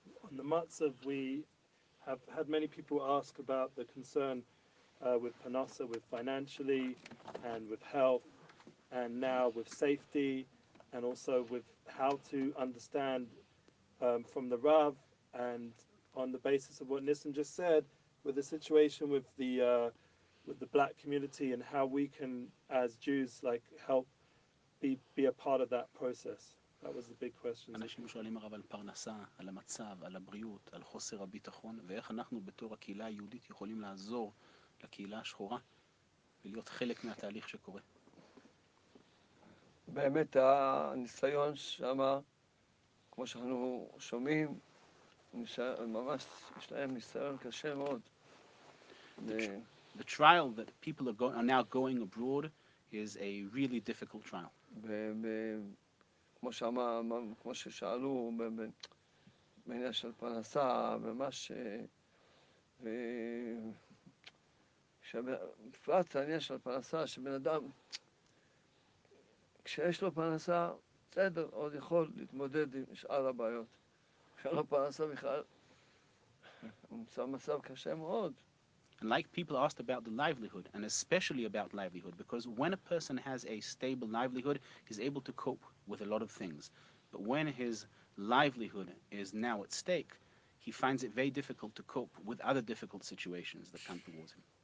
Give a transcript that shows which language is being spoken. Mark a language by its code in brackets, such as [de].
[en] On the matzav, we have had many people ask about the concern with Panasa, with financially and with health, and now with safety, and also with how to understand from the Rav, and on the basis of what Nissim just said, with the situation with the with the Black community and how we can, as Jews, like help be a part of that process. That was the big question. [he] אנשים שואלים הרב על פרנסה, על המצב, על הבריאות, על חוסר הביטחון, ואיך אנחנו בתור הקהילה היהודית יכולים לעזור לקהילה השחורה ולהיות חלק מהתהליך שקורה. באמת הניסיון שמה, כמו שאנחנו שומעים, ממש יש להם ניסיון קשה מאוד. [en] The trial that people are now going abroad is a really difficult trial. [he] כמו שאמר, כמו ששאלו, בעניין של פרנסה, ממש, בפרט העניין של פרנסה, שבן אדם, כשיש לו פרנסה, בסדר, עוד יכול להתמודד עם שאר הבעיות. כשאין לו פרנסה בכלל, הוא נמצא במצב קשה מאוד. [en] And like people asked about the livelihood, and especially about livelihood, because when a person has a stable livelihood, he's able to cope with a lot of things. But when his livelihood is now at stake, he finds it very difficult to cope with other difficult situations that come towards him.